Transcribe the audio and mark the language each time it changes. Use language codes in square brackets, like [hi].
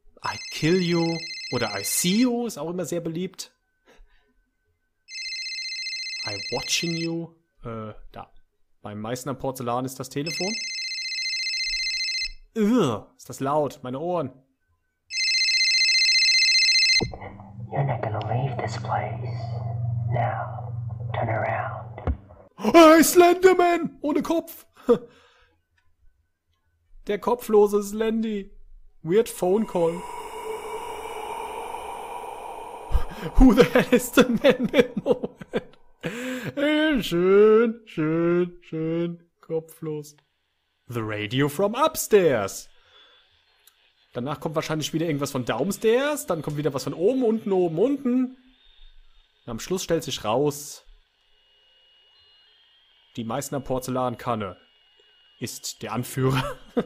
[en] I kill you [de] oder [en] I see you [de] ist auch immer sehr beliebt. [en] I watching you. [de] Da. Beim meisten am Porzellan ist das Telefon. Ist das laut, meine Ohren. [en] You're not gonna leave this place. Now, turn around. [de] Hey, Slenderman! Ohne Kopf! Der kopflose Slendy. [en] Weird phone call. Who the hell is the man with no head? [de] Schön, schön, schön. Kopflos. [en] The radio from upstairs. [de] Danach kommt wahrscheinlich wieder irgendwas von downstairs. Dann kommt wieder was von oben, unten, oben, unten. Und am Schluss stellt sich raus, die Meißner Porzellankanne ist der Anführer.